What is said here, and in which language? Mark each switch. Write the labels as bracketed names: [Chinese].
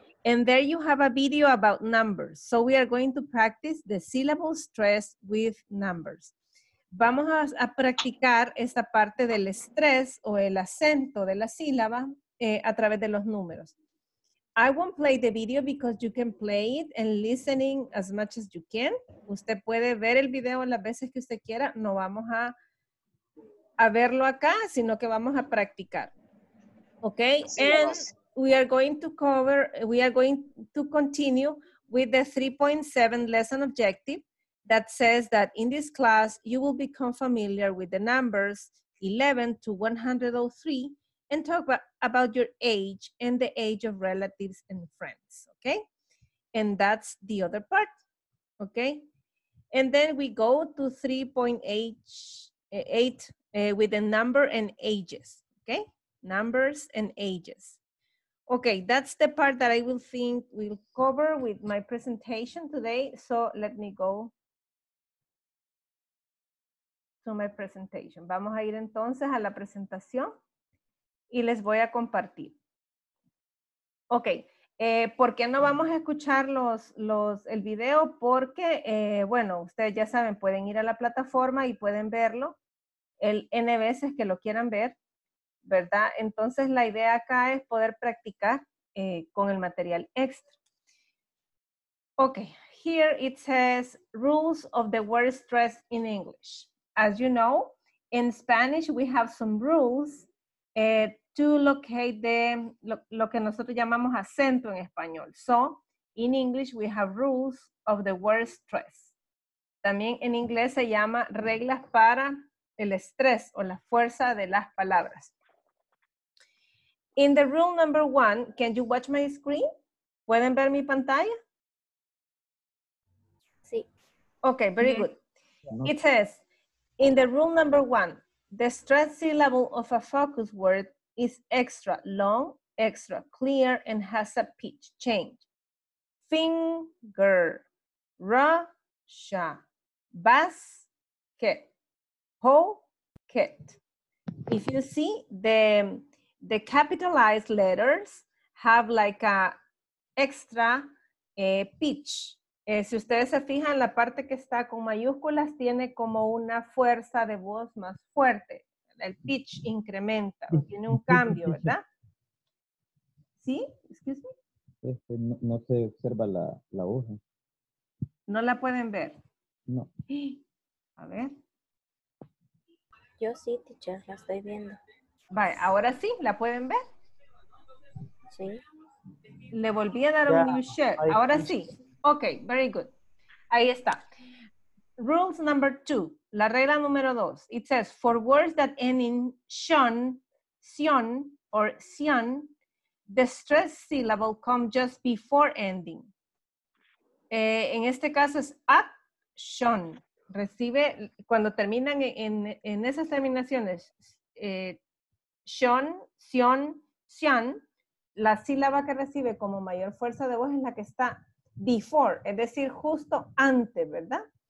[English] And there you have a video about numbers. So we are going to practice the syllable stress with numbers. [Spanish] Vamos a practicar esta parte del estrés o el acento de la sílaba a través de los números. I won't play the video because you can play it and listening as much as you can. Usted puede ver el video las veces que usted quiera. No vamos a verlo acá, sino que vamos a practicar. [English] Okay, and we are going to cover, we are going to continue with the 3.7 lesson objective that says that in this class, you will become familiar with the numbers 11 to 103 and talk about your age and the age of relatives and friends, okay? And that's the other part, okay? And then we go to 3.8 with the number and ages, okay? Numbers and ages. Okay, that's the part that I will think we'll cover with my presentation today. So let me go to my presentation. [Spanish] Vamos a ir entonces a la presentación y les voy a compartir. Ok, ¿por qué no vamos a escuchar el video? Porque, bueno, ustedes ya saben, pueden ir a la plataforma y pueden verlo N veces que lo quieran ver, ¿verdad? Entonces la idea acá es poder practicar con el material extra. [English] Ok, here it says rules of the word stress in English. As you know, in Spanish we have some rules to locate lo que nosotros llamamos acento en español. So, in English we have rules of the word stress. [Spanish] También en inglés se llama reglas para el estrés o la fuerza de las palabras. [English] In the rule number one, can you watch my screen? [Spanish] ¿Pueden ver mi pantalla? Sí. [English] Okay, very good. It says, in the rule number one, the stress syllable of a focus word is extra long, extra clear, and has a pitch change. Finger, Russia, basket, pocket. If you see, the capitalized letters have like a extra pitch. [Spanish] Si ustedes se fijan, la parte que está con mayúsculas tiene como una fuerza de voz más fuerte. El pitch incrementa, tiene un cambio, ¿verdad? ¿Sí? [English] Excuse me. [Spanish] No se observa la hoja. ¿No la pueden ver? No. A ver. Yo sí, teacher, la estoy viendo. Vale, ahora sí, ¿la pueden ver? Sí. Le volví a dar un new share. Ahora sí. Ok, very good. Ahí está. [English] Rules number two. La regla número dos. It says, for words that end in shon, sion, or sion, the stress syllable comes just before ending. [Spanish] En este caso es at shon. Recibe, cuando terminan en esas terminaciones, shon, sion, sion, la sílaba que recibe como mayor fuerza de voz es la que está before, es decir, justo antes, ¿verdad?